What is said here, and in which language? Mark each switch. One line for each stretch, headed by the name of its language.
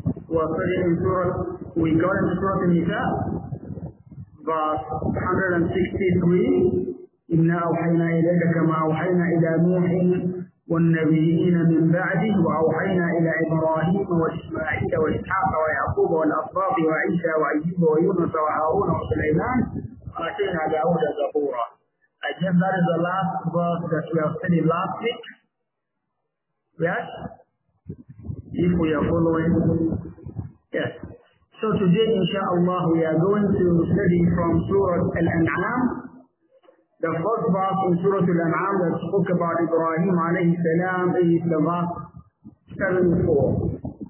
English: We got into Surah Nisa, verse 163.
Arabic: إِنَّا أَوْحَيْنَا إِلَيْكَ كَمَا أَوْحَيْنَا إِلَى نُوحٍ والنبيين من بعده وأوحينا إلى إبراهيم وإسماعيل وإسحاق ويعقوب والأسباط وعيسى وأيوب ويونس وهارون وسليمان وآتينا داود زبورا.
English: Again, that is the last verse that we have studied last week. Yes? If we are following. Yes. So today, inshallah, we are going to study from Surah Al-An'am. The first verse in Surah Al-An'am that spoke about Ibrahim alayhi salam is the verse 74.